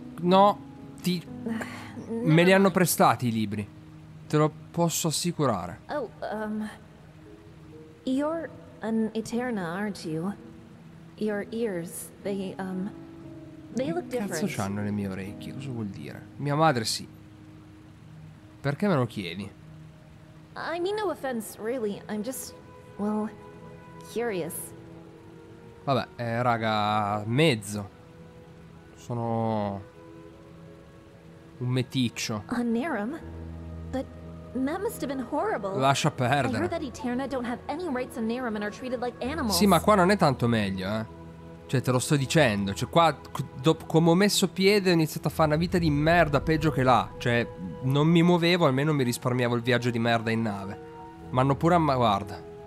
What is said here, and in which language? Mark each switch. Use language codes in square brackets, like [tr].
[it] No, ti me li hanno prestati i libri. Te lo posso assicurare. [en] You're an Eterna, aren't you? Your ears, they, They look different. [it] Cazzo c'hanno le mie orecchie? Cosa vuol dire? Mia madre sì. Perché me lo chiedi? [en] I mean no offense, really. I'm just, well, curious. [it] Vabbè, raga, mezzo. Sono un meticcio. [en] A Nerum? But that must have been horrible. [it] Lascia perdere. [en] I heard that Eterna don't have any rights in Nerum and are treated like animals. [it] Sì, ma qua non è tanto meglio, eh. Cioè, te lo sto dicendo. Cioè, qua, come ho messo piede, ho iniziato a fare una vita di merda peggio che là. Cioè, non mi muovevo, almeno mi risparmiavo il viaggio di merda in nave. Ma hanno pure guarda.